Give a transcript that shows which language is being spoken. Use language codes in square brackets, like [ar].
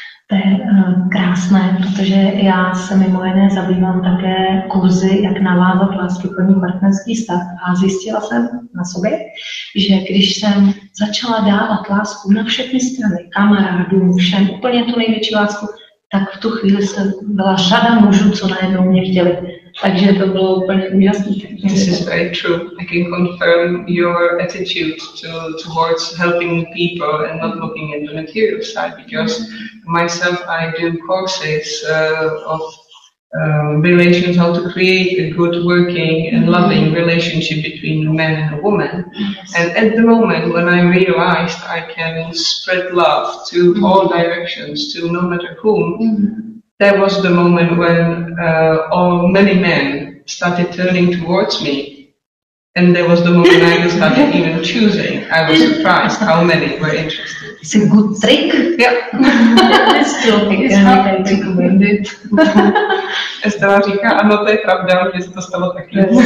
[cs] To je krásné, protože já se mimo jiné zabývám také kurzy, jak navázat láskyplný partnerský vztah. A zjistila jsem na sobě, že když jsem začala dávat lásku na všechny strany, kamarádům, všem, úplně tu největší lásku, tak v tu chvíli jsem byla řada mužů, co najednou mě chtěli. Takže to bylo úplně úžasné. [en] This is very true. I can confirm your attitude towards helping people and not looking at the material side, because myself, I do courses of relations, how to create a good working and loving relationship between a man and a woman. Yes. And at the moment, when I realized I can spread love to all directions, to no matter whom, that was the moment when all many men started turning towards me. And that was the moment I just started even choosing. I was surprised how many were interested. It's a good trick. Yeah. It's true. It's hard to recommend it. [cs] Estela říká, ano, to je pravda, že se to stalo taky.